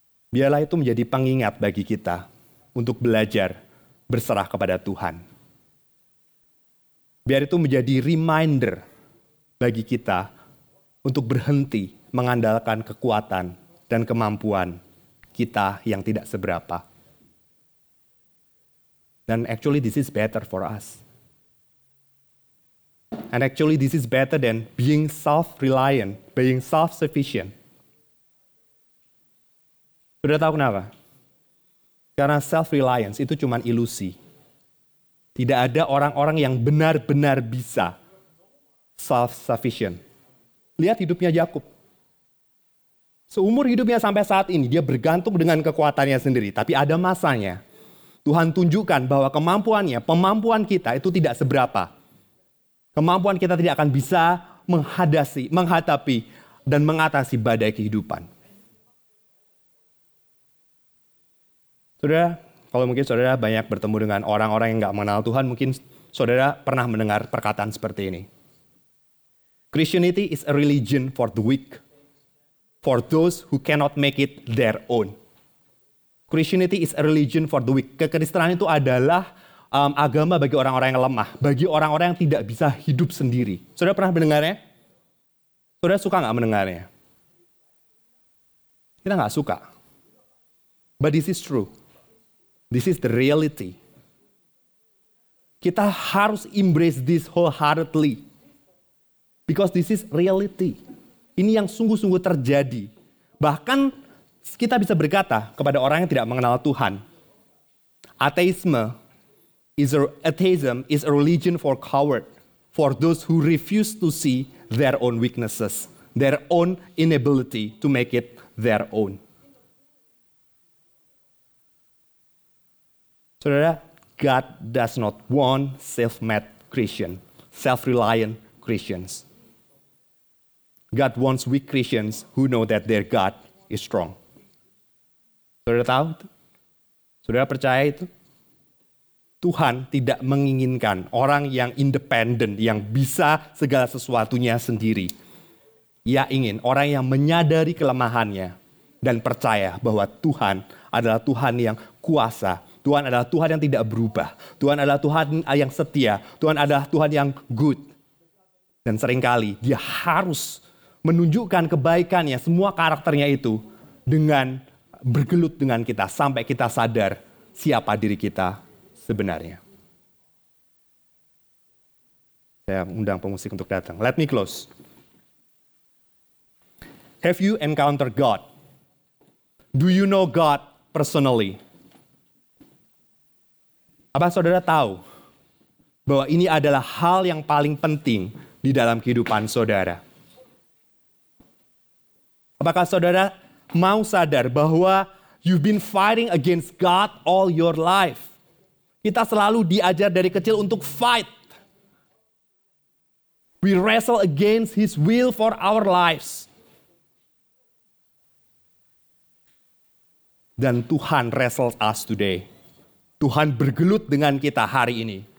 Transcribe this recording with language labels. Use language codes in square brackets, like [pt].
[id] Biarlah itu menjadi pengingat bagi kita untuk belajar berserah kepada Tuhan. Biar itu menjadi reminder bagi kita untuk berhenti mengandalkan kekuatan dan kemampuan kita yang tidak seberapa. [en] Dan actually this is better for us. And actually this is better than being self-reliant, being self-sufficient. [id] Sudah tahu kenapa? Karena self-reliance itu cuma ilusi. Tidak ada orang-orang yang benar-benar bisa self-sufficient. Lihat hidupnya Yakub. Seumur hidupnya sampai saat ini, dia bergantung dengan kekuatannya sendiri. Tapi ada masanya, Tuhan tunjukkan bahwa kemampuannya, pemampuan kita itu tidak seberapa. Kemampuan kita tidak akan bisa menghadapi, menghadapi dan mengatasi badai kehidupan. Saudara, kalau mungkin saudara banyak bertemu dengan orang-orang yang gak mengenal Tuhan, mungkin saudara pernah mendengar perkataan seperti ini. [en] Christianity is a religion for the weak, for those who cannot make it their own. Christianity is a religion for the weak. [id] Kekristenan itu adalah agama bagi orang-orang yang lemah, bagi orang-orang yang tidak bisa hidup sendiri. Saudara pernah mendengarnya? Saudara suka gak mendengarnya? Kita gak suka. [en] But this is true. This is the reality. [id] Kita harus [en] embrace this wholeheartedly. Because this is reality. [id] Ini yang sungguh-sungguh terjadi. Bahkan kita bisa berkata kepada orang yang tidak mengenal Tuhan. [en] Atheism is a religion for cowards, for those who refuse to see their own weaknesses, their own inability to make it their own. Saudara, God does not want self-made Christians, self-reliant Christians. God wants weak Christians who know that their God is strong. [id] Saudara tahu itu? Saudara percaya itu? Tuhan tidak menginginkan orang yang independen, yang bisa segala sesuatunya sendiri. Ia ingin orang yang menyadari kelemahannya dan percaya bahwa Tuhan adalah Tuhan yang kuasa Tuhan adalah Tuhan yang tidak berubah. Tuhan adalah Tuhan yang setia. Tuhan adalah Tuhan yang good. Dan seringkali dia harus menunjukkan kebaikannya, semua karakternya itu, dengan bergelut dengan kita sampai kita sadar siapa diri kita sebenarnya. Saya undang pemusik untuk datang. [en] Let me close. Have you encountered God? Do you know God personally? [id] Apa saudara tahu bahwa ini adalah hal yang paling penting di dalam kehidupan saudara? Apakah saudara mau sadar bahwa [en] you've been fighting against God all your life? [id] Kita selalu diajar dari kecil untuk fight. [en] We wrestle against His will for our lives. Dan Tuhan wrestles us today. [id] Tuhan bergelut dengan kita hari ini.